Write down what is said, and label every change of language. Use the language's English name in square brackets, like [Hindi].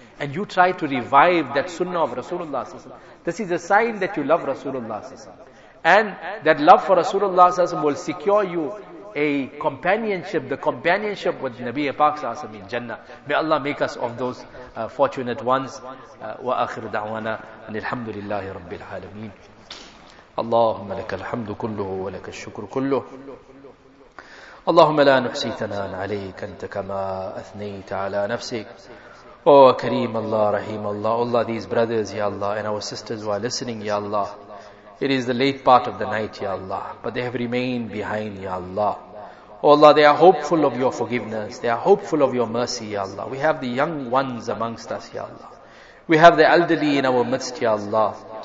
[English] And you try to revive that sunnah of Rasulullah sallallahu alaihi wasallam. This is a sign that you love Rasulullah sallallahu alaihi wasallam. And that love for Rasulullah sallallahu alaihi wasallam will secure you a companionship, the companionship with Nabi Pak sallallahu alaihi wasallam in Jannah. May Allah make us of those fortunate ones. [Arabic] Wa akhiru da'wana and alhamdulillahi rabbil alameen. اللهم لك الحمد كله ولك الشكر كله. اللهم لا نحصي ثناء عليك، أنت كما أثنيت على نفسك. [English] Oh Kareem Allah, Rahim Allah, Allah, these brothers, Ya Allah, and our sisters who are listening, Ya Allah. It is the late part of the night, Ya Allah, but they have remained behind, Ya Allah. Oh Allah, they are hopeful of your forgiveness. They are hopeful of your mercy, Ya Allah. We have the young ones amongst us, Ya Allah. We have the elderly in our midst, Ya Allah.